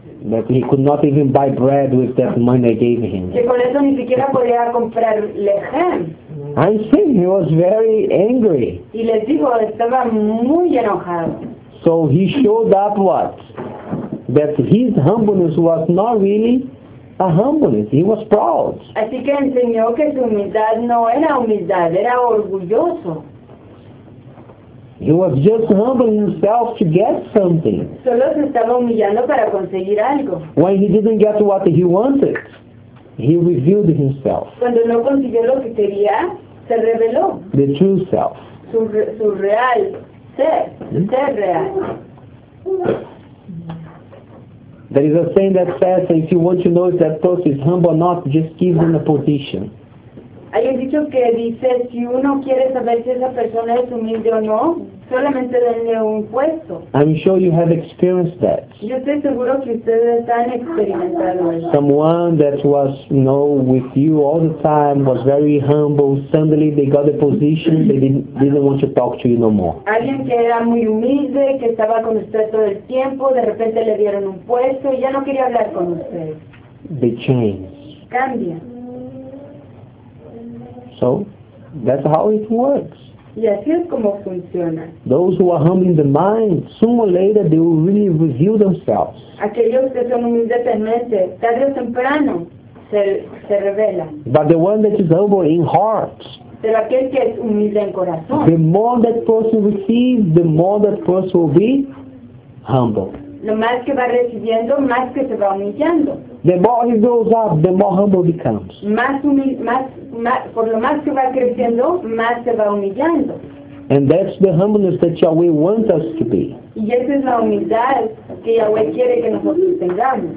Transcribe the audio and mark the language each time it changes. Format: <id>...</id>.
<en>That he could not even buy bread with that money I gave him.</en> <es>Que con eso ni siquiera podía comprar lejem.</es> <en>I see, he was very angry.</en> <es>Y les dijo, estaba muy enojado.</es> <en>So he showed up what? That his humbleness was not really a humbleness. He was proud.</en> <es>Así que enseñó que su humildad no era humildad, era orgulloso.</es> <en>He was just humbling himself to get something.</en> <es>Solo se estaba humillando para conseguir algo.</es> <en>When he didn't get what he wanted, he revealed himself.</en> <es>Cuando no consiguió lo que quería, se reveló.</es> <en>The true self.</en> <es>Su real ser real.</es> <en>There is a saying that says that if you want to know if that person is humble or not, just give them a position.</en> <es>Hay un dicho que dice, si uno quiere saber si esa persona es humilde o no, solamente denle un puesto.</es> <en>I'm sure you have experienced that.</en> <es>Yo estoy seguro que ustedes han experimentado eso.</es> <en>Someone that was, you know, with you all the time, was very humble, suddenly they got a position, they didn't want to talk to you no more.</en> <es>Alguien que era muy humilde, que estaba con usted todo el tiempo, de repente le dieron un puesto y ya no quería hablar con usted.</es> <en>They change.</en> <es>Cambia.</es> <en>So, that's how it works.</en> <es>Y así es como funciona.</es> <en>Those who are humble in the mind, sooner or later they will really reveal themselves.</en> <es>Aquellos que son humildes en mente, tarde o temprano se revelan.</es> <en>But the one that is humble in heart.</en> <es>Pero aquel que es humilde en corazón.</es> <en>The more that person receives, the more that person will be humble.</en> <es>Lo más que va recibiendo, más que se va humillando.</es> <en>The more he grows up, the more humble becomes.</en> <es>Por lo más que va creciendo, más se va humillando.</es> <en>And that's the humbleness that Yahweh wants us to be.</en> <es>Y esa es la humildad que Yahweh quiere que nosotros tengamos.</es>